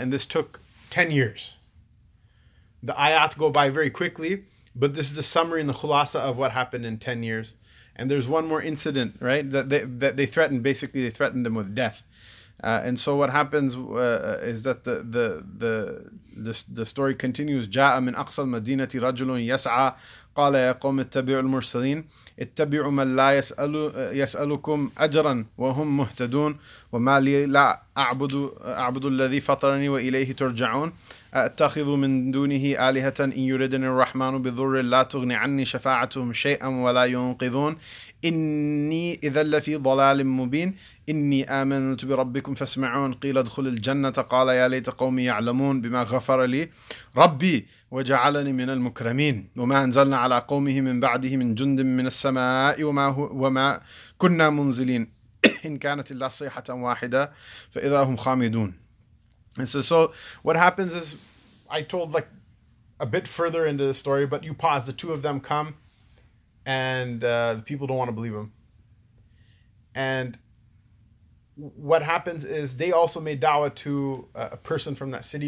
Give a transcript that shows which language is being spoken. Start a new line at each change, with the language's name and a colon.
English: And this took 10 years. The ayat go by very quickly, but this is the summary and the khulasa of what happened in 10 years. And there's one more incident, right? That they threatened them with death. And so what happens is that the story continues.
Arabic: جَاءَ مِنْ أَقْصَى الْمَدِينَةِ رَجُلٌ يَسْعَى قَالَ يَا قَوْمِ اتَّبِعُوا الْمُرْسَلِينَ اتَّبِعُوا مَنْ لَا يَسْأَلُكُمْ أَجْرًا وَهُمْ مُهْتَدُونَ وَمَا لِي لَا أَعْبُدُ الَّذِي فَطَرَنِي وَإِلَيْهِ تُرْجَعُونَ أَتَّخِذُ مِنْ دُونِهِ آلِهَةً إِنْ يُرِدْنِ الرَّحْمَنُ بِضُرٍّ لَا تُغْنِ عَنِّي شَفَاعَتُهُمْ شَيْئًا وَلَا يُنْقِذُونَ إني إذا لفي ضلال مبين إني آمنت بربكم فاسمعون قيل ادخل الجنة قال يا ليت قومي يعلمون بما غفر لي ربي وجعلني من المكرمين وما أنزلنا على قومه من بعده من جند من السماء وما كنا منزلين إن كانت إلا صيحة واحدة فإذا هم خامدون.
English: And so what happens is I told like a bit further into the story, but you pause, the two of them come. And the people don't want to believe him. And what happens is they also made da'wah to a person from that city.